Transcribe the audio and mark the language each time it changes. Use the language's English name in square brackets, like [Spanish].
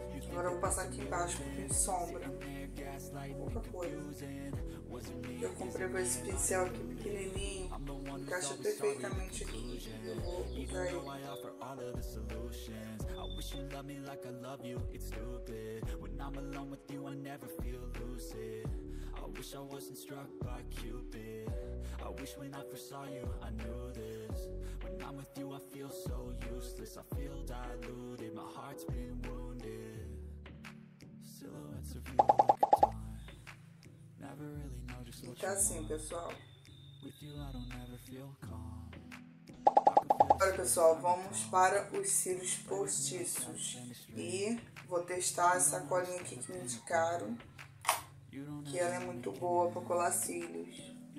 [Portuguese] Agora eu vou passar aqui embaixo um pouquinho de sombra. Pouca coisa. Eu comprei com esse pincel aqui pequenininho. Encaixa perfeitamente aqui. Eu vou usar ele. [English] Wish you love me like I love you, it's stupid. When I'm alone with you, I never feel lucid. I wish I wasn't struck by Cupid. I wish when I first saw you, I knew this. When I'm with you, I feel so useless. I feel diluted, my heart's been wounded. Silhouettes of you like a guitar. Never really know just what you want. With you, I don't ever feel calm. [Portuguese] Agora, pessoal, vamos para os cílios postiços e vou testar essa colinha aqui que me indicaram, que ela é muito boa para colar cílios.